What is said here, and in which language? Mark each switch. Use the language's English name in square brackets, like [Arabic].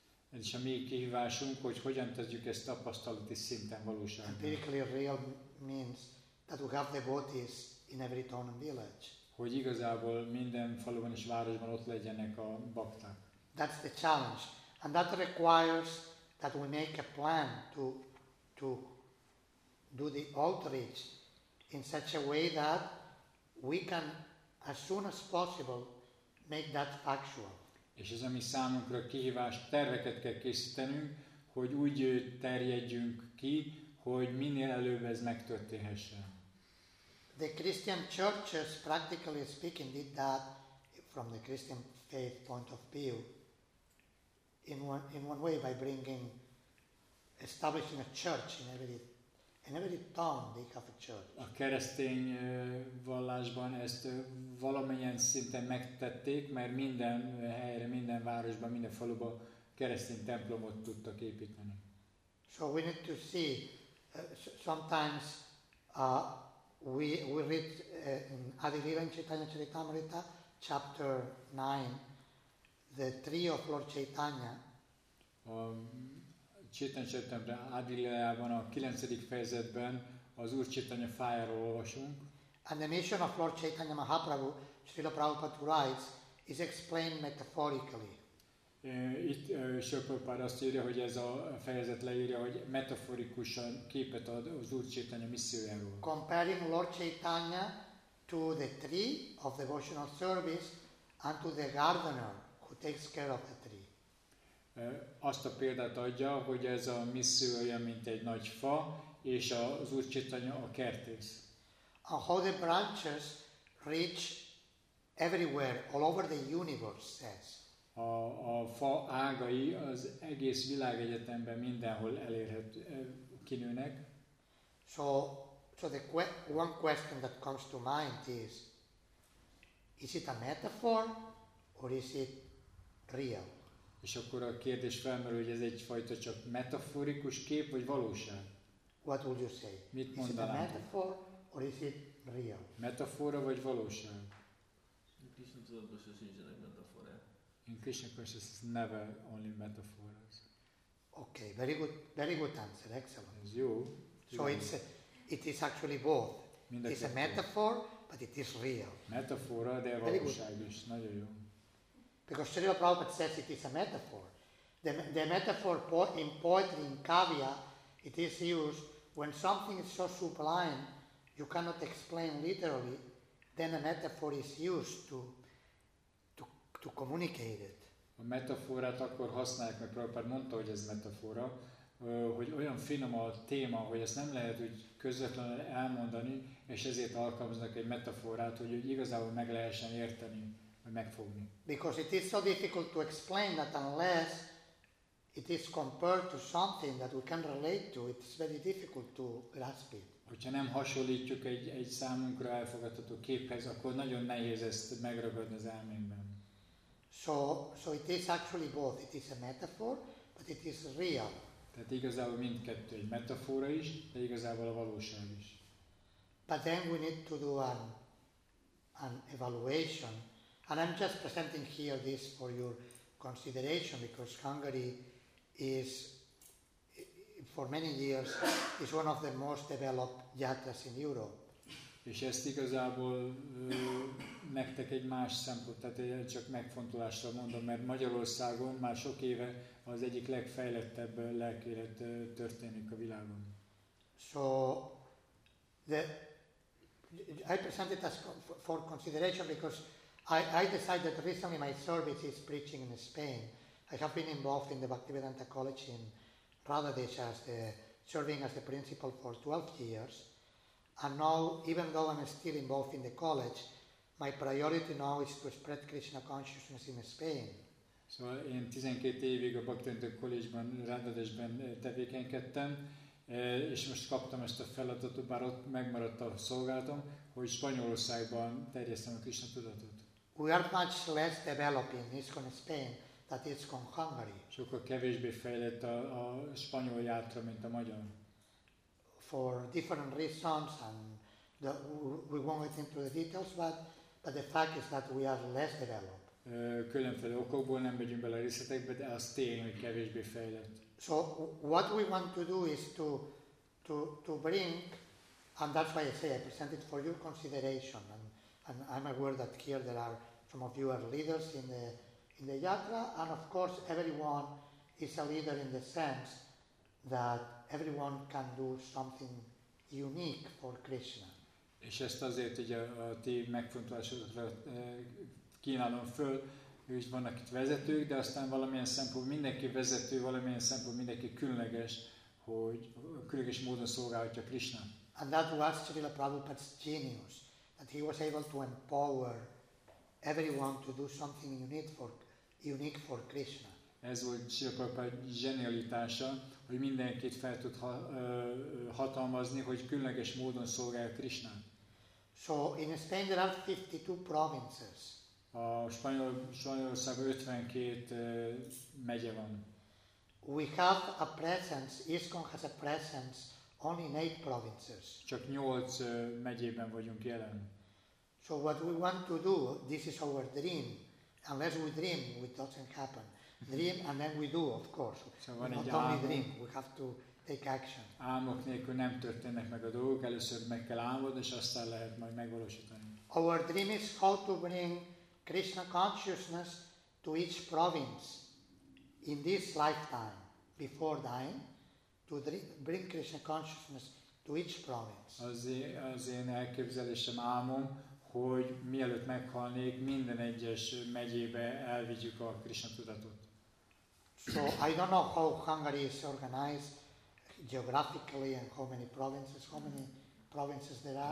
[Hungarian] És a mi kihívásunk, hogy hogyan tudjuk ezt tapasztalati szinten valóságban. [English] Empirically real means that we have devotees in every town and village. [Hungarian] Hogy igazából minden faluban és városban ott legyenek a bakták. [English] That's the challenge, and that requires that we make a plan to do the outreach in such a way that we can, as soon as possible, make that factual. [Hungarian] És ez a mi számunkra kihívás, terveket kell készítenünk, hogy úgy terjedjünk ki, hogy minél előbb ez megtörténhessen. [English] The Christian churches, practically speaking, did that from the Christian faith point of view in one way by establishing a church in every town. They have a church. [Hungarian] A keresztény vallásban ezt valamilyen szinten megtették, mert minden helyre, minden városban, minden faluban keresztény templomot tudtak építeni. [English] So we need to see sometimes. We read in Adivivan Chaitanya Charitamrita, chapter 9, the tree of Lord Chaitanya. [Hungarian] Chaitanya Charitamrita Adivivan, a 9. fejezetben az Úr Chaitanya fájáról olvasunk. [English] And the mission of Lord Chaitanya Mahaprabhu, Srila Prabhupada writes, is explained metaphorically. [Hungarian] Itt Srila Prabhupada azt írja, hogy ez a fejezet leírja, hogy metaforikusan képet ad az Úr Chaitanya missziójáról. [English] Comparing Lord Chaitanya to the tree of devotional service and to the gardener who takes care of the tree. [Hungarian] Azt a példát adja, hogy ez a misszió olyan, mint egy nagy fa, és az Úr Chaitanya a kertész. [English] And how the branches reach everywhere, all over the universe, says. [Hungarian] A fa ágai az egész világegyetemben mindenhol kinőnek. [English] So the one question that comes to mind is it a metaphor or is it real? [Hungarian] És akkor a kérdés felmerül, hogy ez egyfajta csak metaforikus kép vagy valóság? [English] What would you say? [Hungarian] Mit mondanál? [English] Is it a metaphor or is it real? [Hungarian] Metafora vagy valóság? Krisna tudatban sincsenek metafora. [English] In Krishna consciousness, is never only metaphors. Okay, very good answer, excellent. It's you. So it is actually both. It's a metaphor, but it is real. [Hungarian] Metafora, de valóság is. Nagyon jó. [English] Because Srila Prabhupada says it is a metaphor. The metaphor in poetry, in kavya, it is used when something is so sublime, you cannot explain literally, then a metaphor is used to to communicate it. [Hungarian] A metaforát akkor használják, mert Prabhupád mondta, hogy ez metafora, hogy olyan finom a téma, hogy ezt nem lehet úgy közvetlenül elmondani, és ezért alkalmaznak egy metaforát, hogy igazából meg lehessen érteni, vagy megfogni. [English] Because it is so difficult to explain that unless it is compared to something that we can relate to, it is very difficult to grasp it. [Hungarian] Hogyha nem hasonlítjuk egy számunkra elfogadható képhez, akkor nagyon nehéz ezt megragadni az elménkben. [English] So it is actually both. It is a metaphor, but it is real. Tehát igazából mindkettő egy metafora is, de igazából a valóság is. But then we need to do an evaluation. And I'm just presenting here this for your consideration, because Hungary is, for many years, is one of the most developed yatras in Europe. [Hungarian] És ezt igazából nektek egy más szempont, tehát én csak megfontolásra mondom, mert Magyarországon már sok éve az egyik legfejlettebb lelkélet történik a világon. [English] So, I present it as for consideration, because I decided recently my service is preaching in Spain. I have been involved in the Bhaktivedanta College in Radhadesh as the serving as the principal for 12 years. And now, even though I'm still involved in the college, my priority now is to spread Krishna consciousness in Spain. [Hungarian] So, én 12 évig a Bhaktivedanta College-ban, Radhadesh-ben tevékenykedtem, és most kaptam ezt a feladatot, bár ott megmaradt a szolgálatom, hogy Spanyolországban terjesztem a Krishna tudatot. [English] We are much less developed in ISKCON Spain than ISKCON Hungary. [Hungarian] Sokkal kevésbé fejlett a spanyol játra, mint a magyar. [English] For different reasons, and we won't get into the details, but the fact is that we are less developed. [Hungarian] Különféle okokból nem megyünk bele a részletekbe, de az tény, hogy kevésbé fejlett. [English] So what we want to do is to bring, and that's why I say I present it for your consideration, and I'm aware that here there are some of you are leaders in the yatra, and of course everyone is a leader in the sense that everyone can do something unique for Krishna. [Hungarian] És ezt azért, hogy a ti megfontolásodra kínálom föl, és vannak itt vezetők, de aztán valamilyen szempont mindenki vezető, valamilyen szempont mindenki különleges, hogy különleges módon szolgálhatja Krishna. [English] And that was Srila Prabhupada's genius, that he was able to empower everyone to do something unique for Krishna. [Hungarian] Ez volt Srila Prabhupada genialitása, hogy mindenkit fel tud hatalmazni, hogy különleges módon szolgálja Krishna. [English] So in Spain there are 52 provinces. [Hungarian] A Spanyolországban 52 megye van. [English] We have a presence, ISKCON has a presence only in 8 provinces. [Hungarian] Csak 8 megyében vagyunk jelen. [English] So what we want to do, this is our dream. Unless we dream, it doesn't happen. Dream and then we do, of course. [Hungarian] Szóval van [English] not [Hungarian] egy [English] only [Hungarian] álmok, [English] dream, we have to take action. [Hungarian] Álmok nélkül nem történnek meg a dolgok, először meg kell álmodni, és aztán lehet majd megvalósítani. [English] Our dream is how to bring Krishna consciousness to each province in this lifetime, before dying, to bring Krishna consciousness to each province. [Hungarian] Az én elképzelésem, álmom, hogy mielőtt meghalnék, minden egyes megyébe elvigyük a Krishna tudatot. [English] So I don't know how Hungary is organized geographically and how many provinces there are.